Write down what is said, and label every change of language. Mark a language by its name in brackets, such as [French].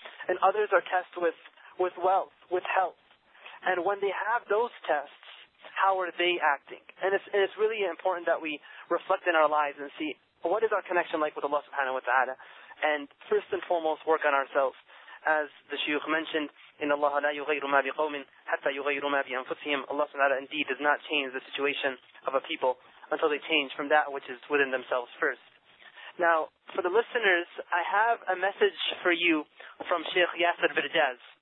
[English] And others are tested with wealth, with health. And when they have those tests, how are they acting? And it's really important that we reflect in our lives and see, what is our connection like with Allah subhanahu wa ta'ala? And first and foremost, work on ourselves. As the Shaykh mentioned, [Arabic] إِنَّ اللَّهَ لَا يُغَيْرُ مَا بِقَوْمٍ حَتَّى يُغَيْرُ مَا بِأَنفُسِهِمْ. [English] Allah subhanahu wa ta'ala indeed does not change the situation of a people until they change from that which is within themselves first. Now, for the listeners, I have a message for you from Sheikh Yasser Birjaz.